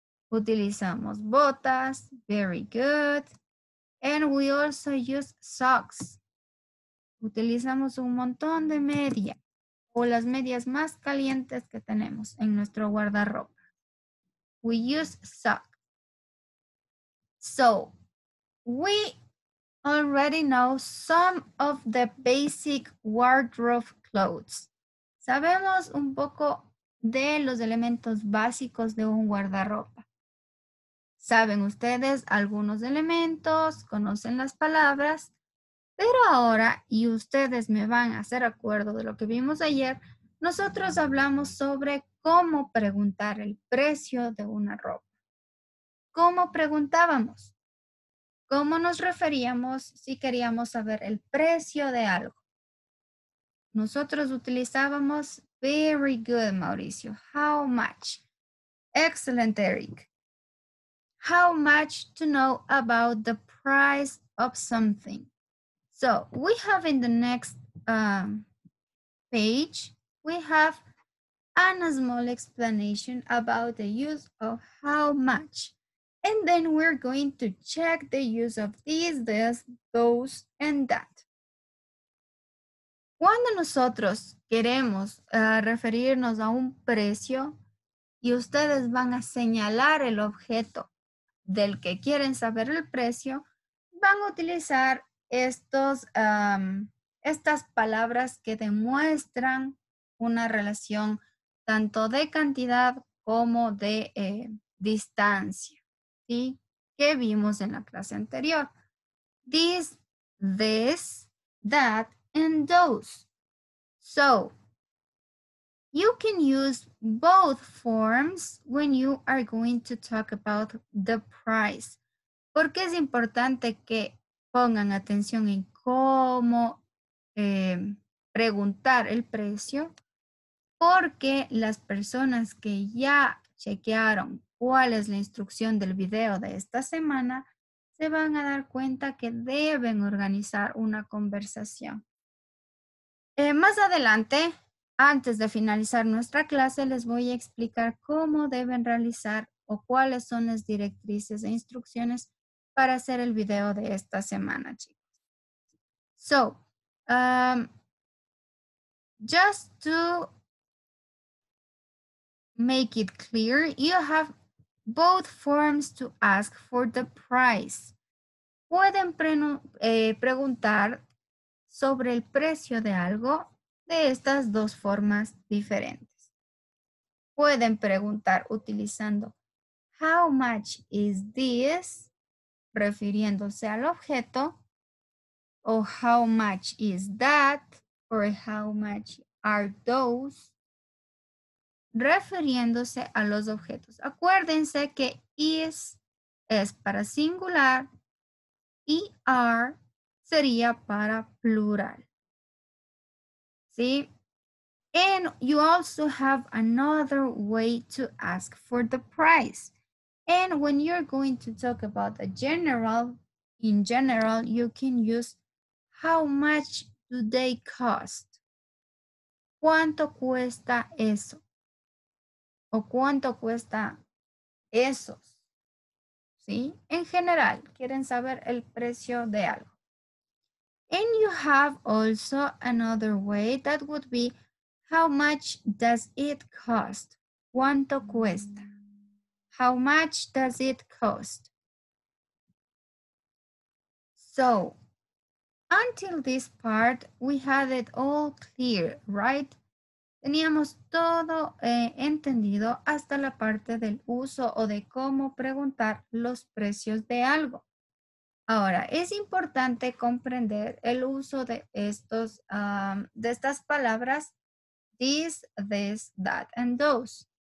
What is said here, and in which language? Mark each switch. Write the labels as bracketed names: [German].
[Spanish] Utilizamos botas. [English] Very good. And we also use socks. [Spanish] Utilizamos un montón de medias. O las medias más calientes que tenemos en nuestro guardarropa. [English] We use socks. So, we already know some of the basic wardrobe clothes. [Spanish] Sabemos un poco de los elementos básicos de un guardarropa. Saben ustedes algunos elementos, conocen las palabras. Pero ahora, y ustedes me van a hacer acuerdo de lo que vimos ayer, nosotros hablamos sobre cómo preguntar el precio de una ropa. ¿Cómo preguntábamos? ¿Cómo nos referíamos si queríamos saber el precio de algo? Nosotros utilizábamos, [English] very good, Mauricio. How much? Excellent, Eric. How much to know about the price of something? So, we have in the next page, we have a small explanation about the use of how much. And then we're going to check the use of these, this, those, and that. [Spanish] Cuando nosotros queremos referirnos a un precio y ustedes van a señalar el objeto del que quieren saber el precio, van a utilizar estas palabras que demuestran una relación tanto de cantidad como de distancia, ¿sí? Que vimos en la clase anterior. [English] This, this, that, and those. So, you can use both forms when you are going to talk about the price. [Spanish] Porque es importante que pongan atención en cómo preguntar el precio, porque las personas que ya chequearon cuál es la instrucción del video de esta semana, se van a dar cuenta que deben organizar una conversación. Más adelante, antes de finalizar nuestra clase, les voy a explicar cómo deben realizar o cuáles son las directrices e instrucciones para hacer el video de esta semana, chicos. [English] So, just to make it clear, you have both forms to ask for the price. [Spanish] Pueden preguntar sobre el precio de algo de estas dos formas diferentes. Pueden preguntar utilizando [English] how much is this? [Spanish] refiriéndose al objeto, o [English] how much is that, or how much are those, [Spanish] refiriéndose a los objetos. Acuérdense que is es para singular y are sería para plural. ¿Sí? [English] And you also have another way to ask for the price. And when you're going to talk about a general, in general, you can use how much do they cost? [Spanish] ¿Cuánto cuesta eso? ¿O cuánto cuesta esos? ¿Sí? En general, quieren saber el precio de algo. [English] And you have also another way that would be how much does it cost? [Spanish] ¿Cuánto cuesta? [English] How much does it cost? So, until this part, we had it all clear, right? [Spanish] Teníamos todo entendido hasta la parte del uso o de cómo preguntar los precios de algo. Ahora, es importante comprender el uso de estos, de estas palabras, this, this, that, and those.